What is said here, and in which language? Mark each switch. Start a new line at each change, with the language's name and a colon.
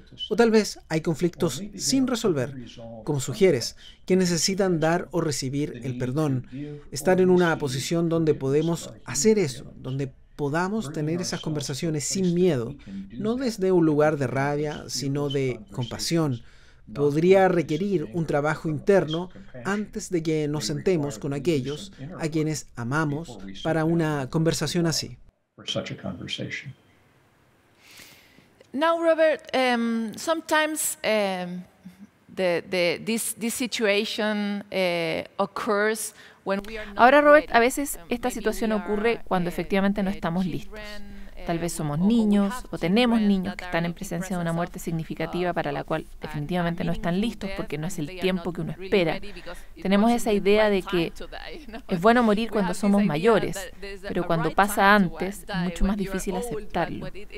Spanish: O tal vez hay conflictos sin resolver, como sugieres, que necesitan dar o recibir el perdón, estar en una posición donde podemos hacer eso, donde podamos tener esas conversaciones sin miedo, no desde un lugar de rabia, sino de compasión. Podría requerir un trabajo interno antes de que nos sentemos con aquellos a quienes amamos para una conversación así.
English: Now, Robert, sometimes this situation occurs when we are not.
Spanish: Ahora, Robert, a veces esta situación ocurre cuando efectivamente no estamos listos. Tal vez somos niños o tenemos niños que están en presencia de una muerte significativa para la cual definitivamente no están listos porque no es el tiempo que uno espera. Tenemos esa idea de que es bueno morir cuando somos mayores, pero cuando pasa antes es mucho más difícil aceptarlo.